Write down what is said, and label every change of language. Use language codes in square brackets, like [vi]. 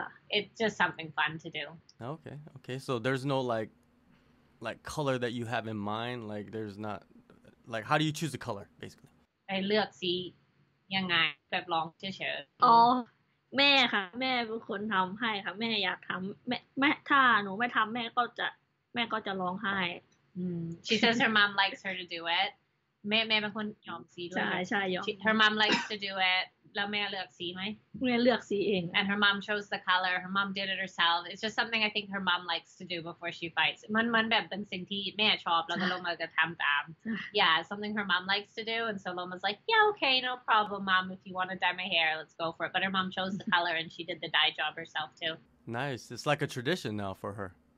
[en] It's just something fun to do. Okay, okay. So there's no like color that you have in mind? Like there's not, like how do you choose the color, basically? I look see young eye, but long to show. Oh. [th] แม่ ค่ะ แม่ เป็นคนทำให้ ค่ะ แม่ อยาก ทำ แม่ ถ้า หนู ไม่ ทำ แม่ ก็จะ แม่ ก็จะ ร้อง ไห้ [en] She says her mom likes her to do it. [th] แม่ แม่ เป็นคน ยอม สี ด้วย ใช่ ใช่ ยอม [en] Her mom likes to do it. [th] แล้ว แม่ เลือก สี มั้ย แม่ เลือก สี เอง [en] And her mom chose the color. Her mom did it herself. It's just something I think her mom likes to do before she fights. [th] มันแบบเป็น สิ่ง ที่ แม่ ชอบ แล้ว Loma ก็ ทำ ตาม [en] Yeah, something her mom likes to do. And so Loma's like, yeah, okay, no problem, mom. If you want to dye my hair, let's go for it. But her mom chose the color and she did the dye job herself too. Nice. It's like a tradition now for her.